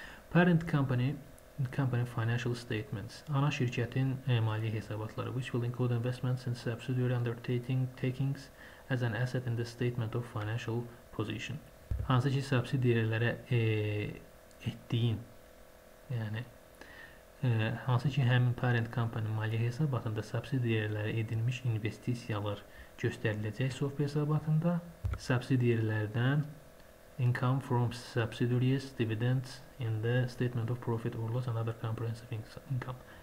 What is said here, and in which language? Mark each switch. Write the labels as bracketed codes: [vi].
[en] Parent company financial statements. [az] Ana şirkətin maliyyə hesabatları. [en] Which will include investments and subsidiary undertakings as an asset in the statement of financial position. [az] Hansı ki subsidiyələrə etdiyin, yəni hansı ki həmin parent company maliyyə hesabatında subsidiyələrə edilmiş investisiyalar göstəriləcək sof hesabatında subsidiyələrdən [en] income from subsidiaries, dividends in the statement of profit or loss and other comprehensive income.